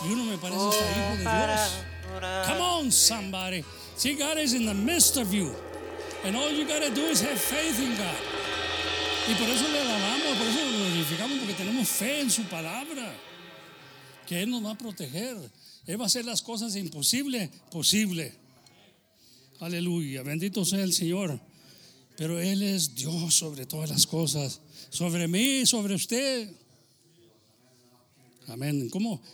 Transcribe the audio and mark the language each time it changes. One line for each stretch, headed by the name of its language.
Spanish: Y uno me parece hasta hijo de Dios.
English: Come on, somebody. See, God is in the midst of you. And all you got to do is have faith in God.
Spanish: Y por eso le alabamos, por eso lo glorificamos, porque tenemos fe en su palabra, que Él nos va a proteger. Él va a hacer las cosas imposibles posible. Aleluya, bendito sea el Señor. Pero Él es Dios sobre todas las cosas, sobre mí, sobre usted. Amén. ¿Cómo?